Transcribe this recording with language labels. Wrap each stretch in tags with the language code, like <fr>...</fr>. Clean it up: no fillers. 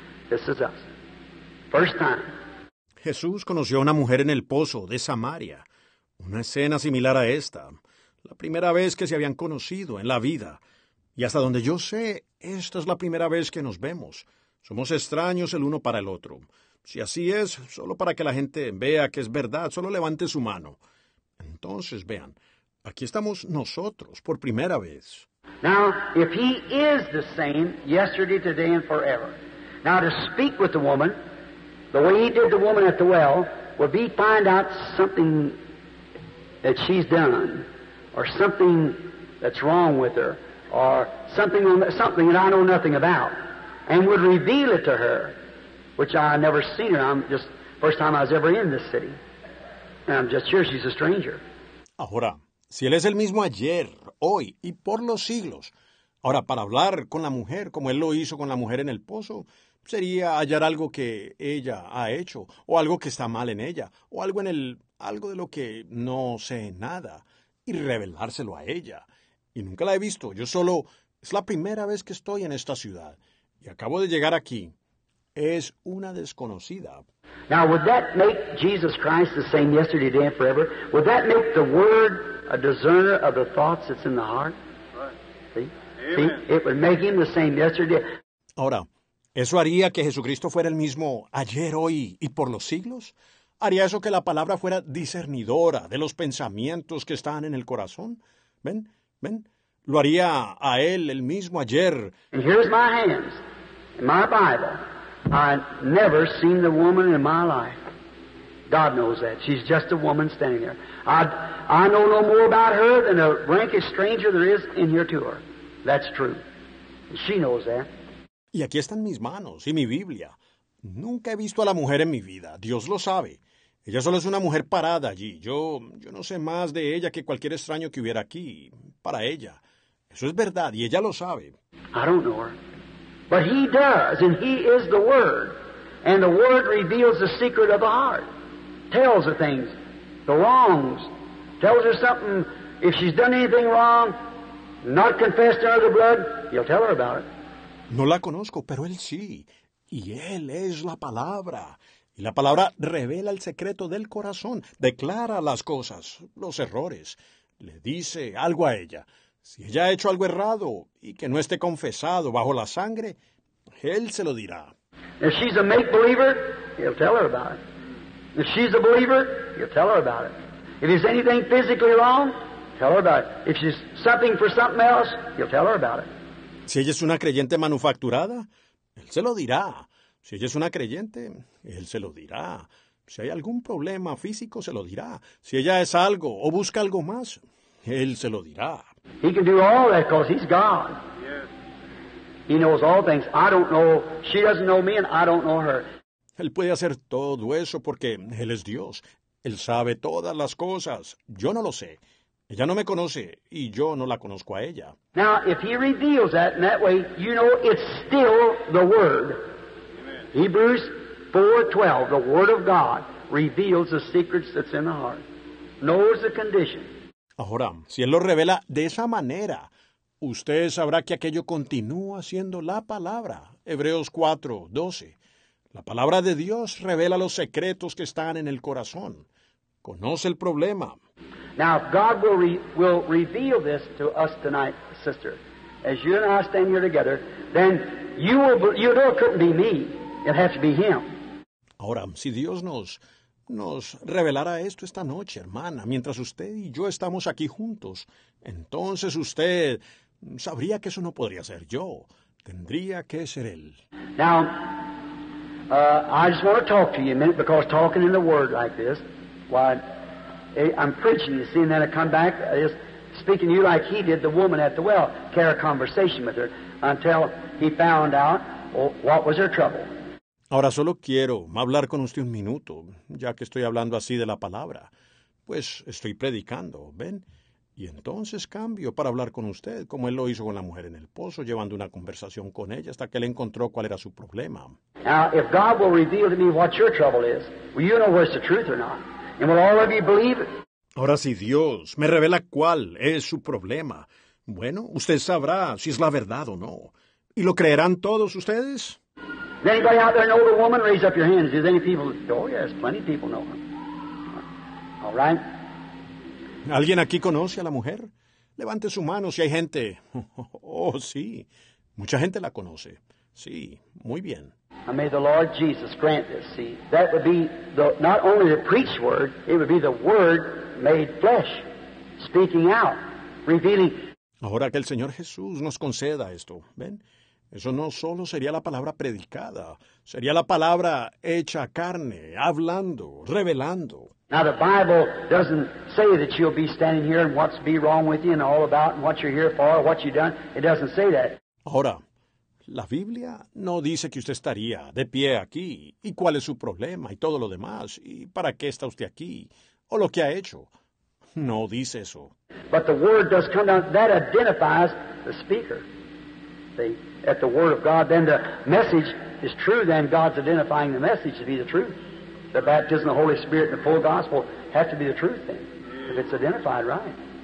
<en>This is us. First time.</en> <es>Jesús conoció a una mujer en el pozo de Samaria, una escena similar a esta, la primera vez que se habían conocido en la vida. Y hasta donde yo sé, esta es la primera vez que nos vemos. Somos extraños el uno para el otro. Si así es, solo para que la gente vea que es verdad, solo levante su mano. Entonces, vean, aquí estamos nosotros por primera vez.</es> <en>Now, if he is the same yesterday, today, and forever. Now, to speak with the woman, the way he did the woman at the well, would be find out something that she's done, or something that's wrong with her, or something that I know nothing about, and would reveal it to her, which I never seen her. I'm just first time I was ever in this city, and I'm just sure she's a stranger.</en> <es>Ahora, si él es el mismo ayer, hoy y por los siglos. Ahora, para hablar con la mujer, como Él lo hizo con la mujer en el pozo, sería hallar algo que ella ha hecho, o algo que está mal en ella, o algo en el, algo de lo que no sé nada, y revelárselo a ella. Y nunca la he visto. Yo solo, es la primera vez que estoy en esta ciudad, y acabo de llegar aquí. Es una desconocida.</es> <en>Now, would that make Jesus Christ the same yesterday, today, and forever? Would that make the Word a discerner of the thoughts that's in the heart? See? It would make Him the same yesterday.</en> <es>Ahora, ¿eso haría que Jesucristo fuera el mismo ayer, hoy y por los siglos? ¿Haría eso que la palabra fuera discernidora de los pensamientos que están en el corazón? ¿Ven? ¿Ven? ¿Lo haría a Él el mismo ayer?</es> <en>And here's my hands, my Bible. I never seen the woman in my life. God knows that. She's just a woman standing there. I know no more about her than the rankest stranger there is in here to her. That's true. She knows that.</en> <es>Y aquí están mis manos y mi Biblia. Nunca he visto a la mujer en mi vida. Dios lo sabe. Ella solo es una mujer parada allí. Yo no sé más de ella que cualquier extraño que hubiera aquí para ella. Eso es verdad y ella lo sabe.</es> <en>I don't know her. But He does, and He is the Word. And the Word reveals the secret of the heart. Tells her things, the wrongs. Tells her something, if she's done anything wrong, not confessed under the blood, He'll tell her about it.</en> <es>No la conozco, pero Él sí. Y Él es la palabra. Y la palabra revela el secreto del corazón. Declara las cosas, los errores. Le dice algo a ella. Si ella ha hecho algo errado y que no esté confesado bajo la sangre, Él se lo dirá.</es> <en>If she's a make-believer, He'll tell her about it. If she's a believer, He'll tell her about it. If there's anything physically wrong, tell her about it. If she's something for something else, He'll tell her about it.</en> <es>Si ella es una creyente manufacturada, Él se lo dirá. Si ella es una creyente, Él se lo dirá. Si hay algún problema físico, se lo dirá. Si ella es algo o busca algo más, Él se lo dirá.</es> <en>He can do all that because He's God. Yes. He knows all things. I don't know. She doesn't know me and I don't know her.</en> <es>Él puede hacer todo eso porque Él es Dios. Él sabe todas las cosas. Yo no lo sé. Ella no me conoce y yo no la conozco a ella.</es> <en>Now, if He reveals that in that way, you know it's still the Word. Amen. Hebrews 4:12, the Word of God, reveals the secrets that's in the heart. Knows the condition.</en> <es>Ahora, si Él lo revela de esa manera, usted sabrá que aquello continúa siendo la palabra. Hebreos 4:12. La palabra de Dios revela los secretos que están en el corazón. Conoce el problema.</es> <en>Now, God will reveal this to us tonight, sister. As you and I stand here together, then you know it couldn't be me. It has to be Him.</en> <es>Ahora, si Dios nos revelará esto esta noche, hermana, mientras usted y yo estamos aquí juntos, entonces usted sabría que eso no podría ser yo. Tendría que ser Él.</es> <en>Now, I just want to talk to you a minute, because talking in the Word like this, while I'm preaching, you see, and then I come back, just speaking to you like He did the woman at the well, carry a conversation with her, until He found out what was her trouble.</en> <es>Ahora solo quiero hablar con usted un minuto, ya que estoy hablando así de la palabra. Pues estoy predicando, ¿ven? Y entonces cambio para hablar con usted, como Él lo hizo con la mujer en el pozo, llevando una conversación con ella hasta que Él encontró cuál era su problema.</es> <en>Now, if God will reveal to me what your trouble is, will you know whether it's the truth or not? And will all of you believe it?</en> <es>Ahora si Dios me revela cuál es su problema, bueno, usted sabrá si es la verdad o no. ¿Y lo creerán todos ustedes?</es> <en>Does anybody out there know the woman? Raise up your hands. Is any people? Oh yes, plenty of people know her. All right.</en> <es>¿Alguien aquí conoce a la mujer? Levante su mano si hay gente. Oh sí, mucha gente la conoce. Sí, muy bien.</es> <en>And may the Lord Jesus grant this. See, that would be the not only the preached word; it would be the Word made flesh, speaking out, revealing.</en> <es>Ahora que el Señor Jesús nos conceda esto, ¿ven? Eso no solo sería la palabra predicada, sería la palabra hecha carne, hablando, revelando.</es> <en>Now the Bible doesn't say that you'll be standing here and what's be wrong with you and all about and what you're here for, what you've done. It doesn't say that.</en> <es>Ahora, la Biblia no dice que usted estaría de pie aquí y cuál es su problema y todo lo demás y para qué está usted aquí o lo que ha hecho. No dice eso.</es> <en>But the word does come down. That identifies the speaker. See, at the word of God, then the message is true. Then God's identifying the message to be the truth. The baptism of the Holy Spirit and the full gospel have to be the truth then, if it's identified right.</en>